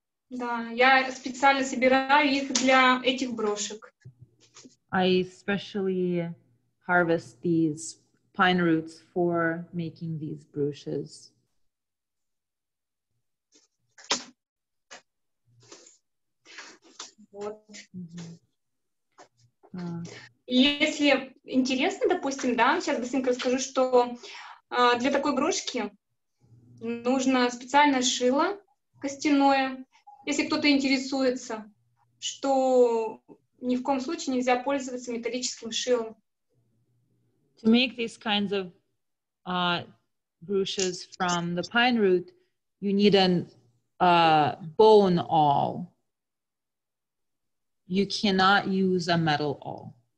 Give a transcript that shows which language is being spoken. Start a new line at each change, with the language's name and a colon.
Russian: Да, я специально собираю их для этих брошек.
English: I especially harvest these pine roots for making these brooches.
Russian: Вот. Если интересно, допустим, да, сейчас быстренько расскажу, что для такой брошки нужно специальное шило костяное. Если кто-то интересуется, что ни в коем случае нельзя пользоваться металлическим шилом.
English: To make these kinds of brooches from the pine root, you need an bone awl. You cannot use a metal awl.